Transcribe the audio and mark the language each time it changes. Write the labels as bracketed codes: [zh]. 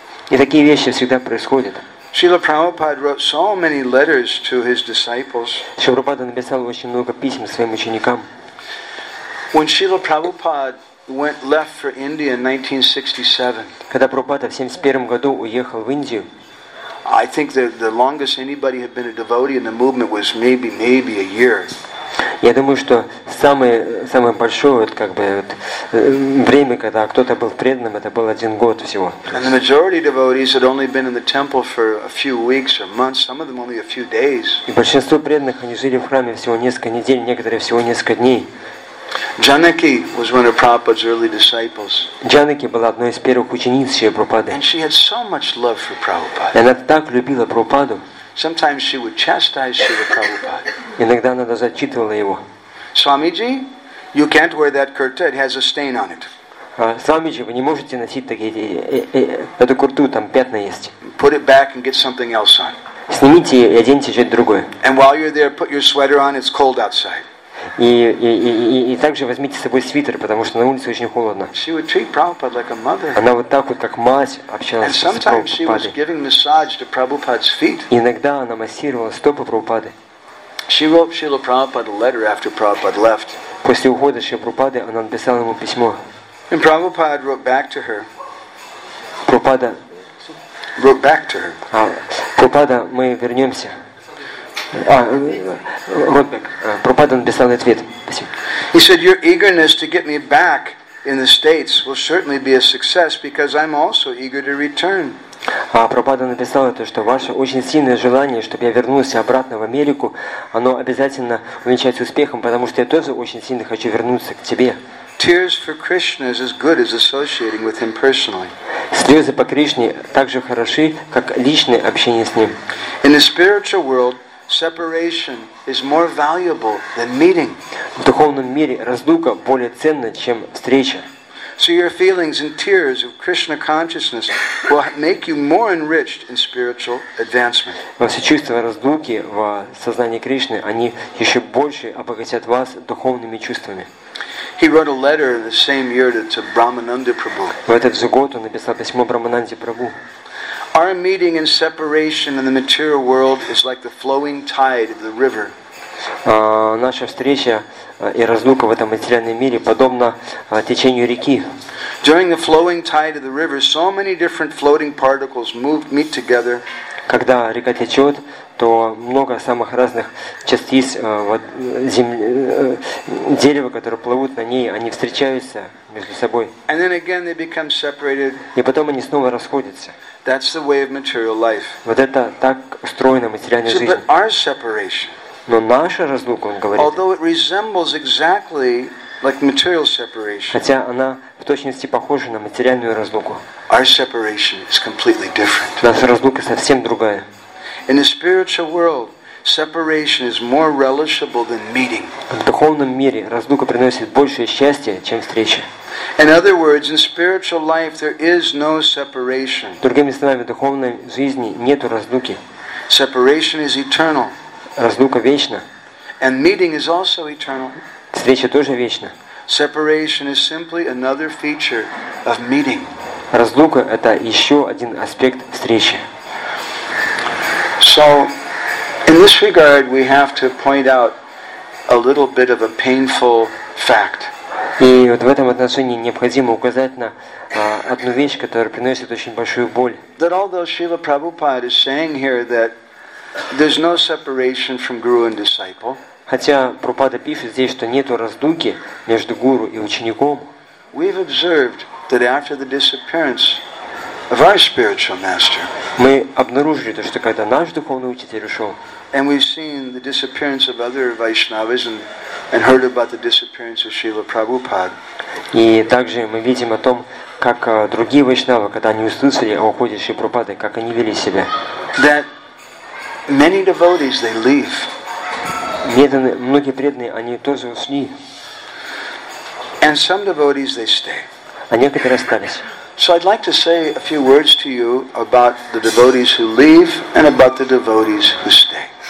[ru] И такие вещи всегда происходят. [en] Srila Prabhupada wrote so many letters to his disciples. [ru] Шрила Прабхупада написал очень много писем своим ученикам. [en] When Srila Prabhupada left for India in 1967. [ru] Когда Прабхупада в 71 году уехал в Индию. [en] I think the longest anybody had been a devotee in the movement was maybe a year. [ru] Я думаю, что самое большое вот, как бы, вот, время, когда кто-то был преданным, это был один год всего. [en] And the majority of devotees had only been in the temple for a few weeks or months, some of them only a few days. [ru] И большинство преданных, они жили в храме всего несколько недель, некоторые всего несколько дней. [en] Janaki was one of Prabhupada's early disciples. [ru] Janaki была одной из первых учениц Шри Прабхупады. [en] And she had so much love for Prabhupada. [ru] И она так любила Прабхупаду. [en] Sometimes she would chastise Srila Prabhupada. [ru] Иногда она даже отчитывала его. [en] Swamiji, you can't wear that kurta, it has a stain on it. [ru] Swamiji, вы не можете носить такие эту курту, там пятна есть. [en] Put it back and get something else on. [ru] Снимите и оденьте что-то другое. [en] And while you're there, put your sweater on, it's cold outside. [ru] И также возьмите с собой свитер, потому что на улице очень холодно. [en] She would treat Prabhupada like a mother. [ru] Она вот так вот, как мать, общалась с Прабхупадой. [en] And sometimes she was giving massage to Prabhupada's feet. [ru] Иногда она массировала стопы Прабхупады. [en] She wrote Srila Prabhupada a letter after Prabhupada left. [ru] После ухода Шрила Прабхупады она написала ему письмо. [en] And Prabhupada wrote back to her. [ru] Прабхупада [en] wrote back to her. [ru] Прабхупада, мы вернемся. Прабхупада написал ответ. [en] He said, "Your eagerness to get me back in the States will certainly be a success because I'm also eager to return." [ru] А Прабхупада написал то, что ваше очень сильное желание, чтобы я вернулся обратно в Америку, оно обязательно увенчается успехом, потому что я тоже очень сильно хочу вернуться к тебе. [en] Tears for Krishna is as good as associating with him personally. [ru] Слезы по Кришне так же хороши, как личное общение с ним. [en] In the spiritual world, separation is more valuable than meeting. [ru] В духовном мире разлука более ценна, чем встреча. [en] So your feelings and tears of Krishna consciousness will make you more enriched in spiritual advancement. [ru] Ваши чувства раздуки в сознании Кришны, они еще больше обогатят вас духовными чувствами. [en] He wrote a letter the same year to Brahmananda Prabhu. [ru] В этот же год он написал письмо Брамананде Прабху. [en] Our meeting and separation in the material world is like the flowing tide of the river. [ru] Наша встреча и разлука в этом материальном мире подобна течению реки. [en] During the flowing tide of the river, so many different floating particles move, meet together. [ru] Когда река течет, то много самых разных частиц дерева, которые плывут на ней, они встречаются между собой. [en] And then again they become separated. [ru] И потом они снова расходятся. [en] That's the way of material life. [ru] Вот это так устроена материальная жизнь. [en] But our separation. [ru] Но наша разлука, он говорит. [en] Although it resembles exactly like material separation. [ru] Хотя она в точности похожа на материальную разлуку. [en] Our separation is completely different. [ru] Наша разлука совсем другая. [en] In the spiritual world, separation is more relishable than meeting. [ru] В духовном мире разлука приносит большее счастье, чем встреча. [en] In other words, in spiritual life there is no separation. [ru] Другими словами, в духовной жизни нету разлуки. [en] Separation is eternal. [ru] Разлука вечна. [en] And meeting is also eternal. [ru] Встреча тоже вечна. [en] Separation is simply another feature of meeting. [ru] Разлука это еще один аспект встречи. [en] So, in this regard, we have to point out a little bit of a painful fact. [ru] И вот в этом отношении необходимо указать на одну вещь, которая приносит очень большую боль. [en] That although Srila Prabhupada is saying here that there's no separation from guru and disciple. [ru] Хотя Прабхупада пишет здесь, что нету раздуки между гуру и учеником. [en] We've observed that after the disappearance of our spiritual master. [ru] Мы обнаружили то, что когда наш духовный учитель ушел. [en] And we've seen the disappearance of other Vaishnavas and heard about the disappearance of Srila Prabhupada. [ru] И также мы видим о том, как другие Вайшнавы, когда они услышали о уходе Шри Прабхупады, как они вели себя. [en] That many devotees they leave. [ru] Многие преданные они тоже ушли. [en] And some devotees they stay. [ru] А некоторые остались. [en] So I'd like to say a few words to you about the devotees who leave and about the devotees who stay.